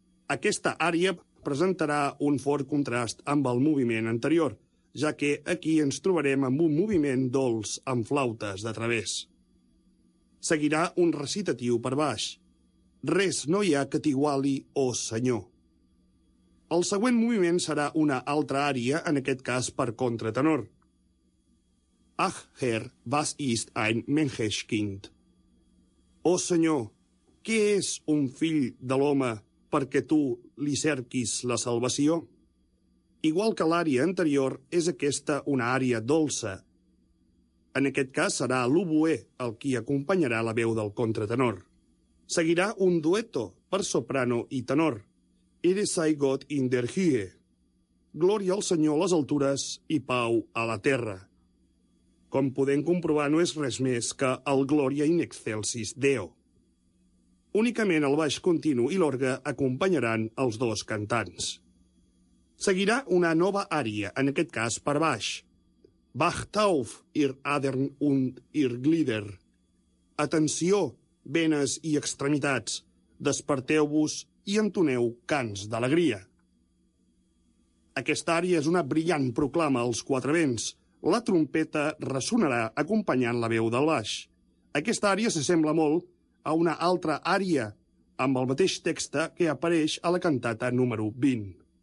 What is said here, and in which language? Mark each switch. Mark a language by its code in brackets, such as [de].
[ca] Aquesta ària presentarà un fort contrast amb el moviment anterior, ja que aquí ens trobarem amb un moviment dolç amb flautes de través. Seguirà un recitatiu per baix. Res no hi ha que t'iguali, oh senyor. El següent moviment serà una altra ària, en aquest cas per contratenor. [de] Ach, Herr, was ist ein Menschenkind? [ca] Oh senyor, què és un fill de l'home perquè tu li cerquis la salvació? Igual que l'ària anterior, és aquesta una ària dolça. En aquest cas serà l'oboè el qui acompanyarà la veu del contratenor. Seguirà un dueto per soprano i tenor. [de] Ere sei Gott in der Höhe. [ca] Glòria al Senyor a les altures i pau a la terra. Com podem comprovar, no és res més que el Glòria in excelsis Deo. Únicament el baix continu i l'orgue acompanyaran els dos cantants. Seguirà una nova ària, en aquest cas per baix. [de] Wacht auf, ihr Adern und ihr Glieder. [ca] Atenció, venes i extremitats. Desperteu-vos i entoneu cants d'alegria. Aquesta ària és una brillant proclama als quatre vents. La trompeta ressonarà acompanyant la veu del baix. Aquesta ària s'assembla molt a una altra ària amb el mateix text que apareix a la cantata número 20.